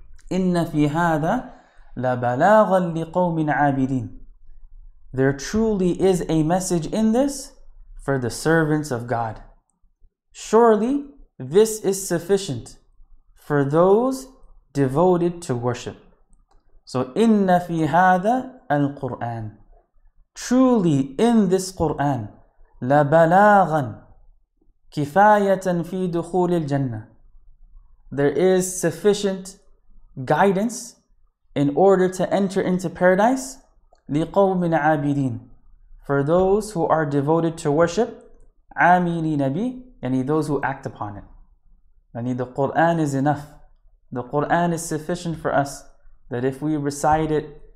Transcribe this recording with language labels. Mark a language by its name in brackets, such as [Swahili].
[Arabic] إِنَّ فِي هَذَا لَبَلَاغًا لِقَوْمٍ عَابِدِينَ. [English] There truly is a message in this for the servants of God. Surely this is sufficient for those devoted to worship. [Arabic] So إِنَّ فِي هَذَا الْقُرْآنِ. [English] Truly in this Qur'an, [Arabic] لَبَلَاغًا كِفَايَةً فِي دُخُولِ الْجَنَّةِ. [English] There is sufficient guidance in order to enter into paradise, [Arabic] لِقَوْمٍ عَابِدِينَ. [English] For those who are devoted to worship, [Arabic] عَامِلِينَ بِهِ, [English] yani those who act upon it. Yani the Qur'an is enough. The Qur'an is sufficient for us, that if we recite it,